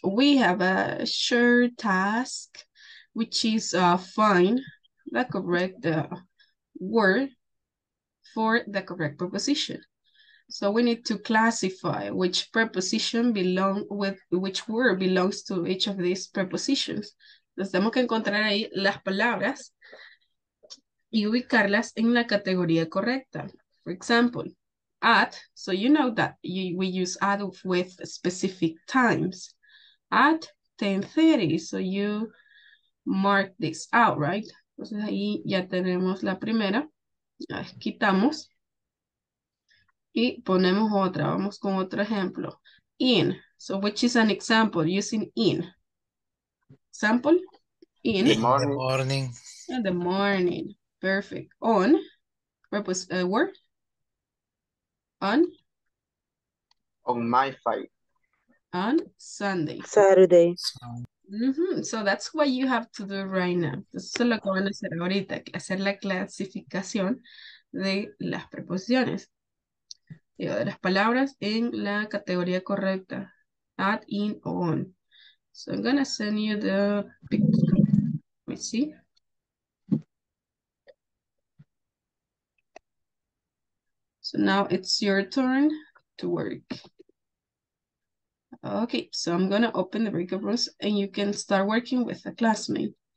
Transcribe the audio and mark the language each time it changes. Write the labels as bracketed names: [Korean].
[English] We have a sure task, which is find the correct word for the correct preposition. So we need to classify which preposition belong with which word belongs to each of these prepositions. [Spanish] Entonces tenemos que encontrar ahí las palabras y ubicarlas en la categoría correcta. [English] For example, at, so you know that we use at with specific times. At 10:30, so you mark this out, right? [Spanish] Entonces ahí ya tenemos la primera. La quitamos. Y ponemos otra. Vamos con otro ejemplo. [English] In, so which is an example using in. Example, in. In the morning. Perfect. On, purpose, word. On? On my fight. On Sunday. Saturday. Mm-hmm. So that's what you have to do right now. [Spanish] Entonces, eso es lo que van a hacer ahorita, hacer la clasificación de las preposiciones. Digo, de las palabras en la categoría correcta. [English] At, in, on. So I'm going to send you the picture. Let me see. So now it's your turn to work. Okay, so I'm gonna open the breakout rooms and you can start working with a classmate.